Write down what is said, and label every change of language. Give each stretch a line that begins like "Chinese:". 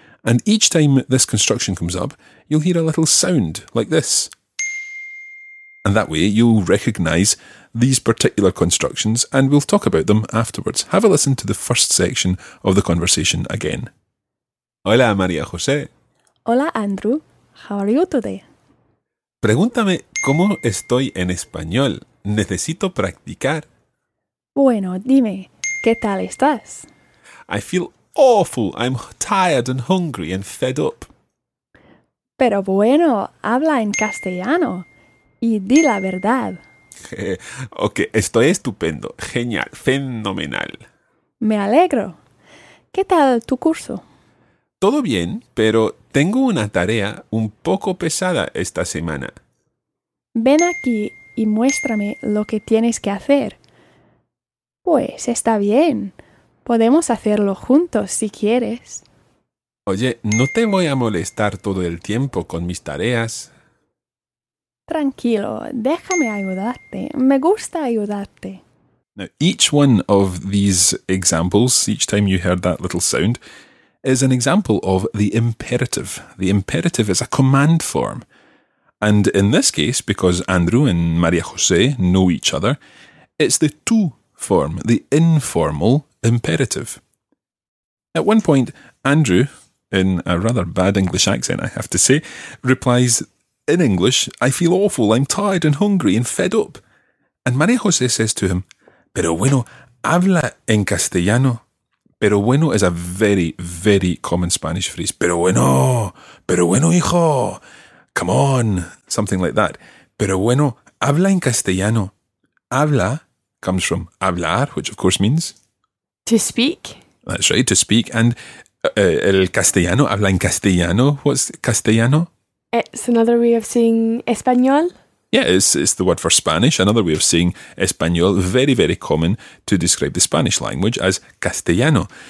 English: And each time this construction comes up, you'll hear a little sound like this. And that way you'll recognise these particular constructions, and we'll talk about them afterwards. Have a listen to the first section of the conversation again.
Spanish: Hola, María José.
English: Hola, Andrew. How are you today?
Spanish: Pregúntame cómo estoy en español. Necesito practicar. Bueno, dime, ¿qué tal estás?
English: I feel awful. I'm tired and hungry and fed up.
Spanish: Pero bueno, habla en castellano. Y di la verdad. Ok, estoy estupendo, genial, fenomenal. Me alegro. ¿Qué tal tu curso? Todo bien, pero tengo una tarea un poco pesada esta semana. Ven aquí y muéstrame lo que tienes que hacer. Pues está bien, podemos hacerlo juntos si quieres. Oye, no te voy a molestar todo el tiempo con mis tareas. Tranquilo, déjame ayudarte. Me gusta ayudarte.
English: Now, each one of these examples, each time you heard that little sound, is an example of the imperative. The imperative is a command form. And in this case, because Andrew and María José know each other, it's the tú form, the informal imperative. At one point, Andrew, in a rather bad English accent, I have to say, replies, in English, I feel awful, I'm tired and hungry and fed up. And María José says to him, pero bueno, habla en castellano. Pero bueno is a very, very common Spanish phrase. Pero bueno, hijo, come on, something like that.
Spanish: Pero bueno, habla en castellano.
English: Habla comes from hablar, which of course means? To speak. That's right, to speak. And el castellano, habla en castellano, what's castellano? It's another way of saying español. Yeah, it's the word for Spanish. Another way of saying español, very, very common to describe the Spanish language as castellano.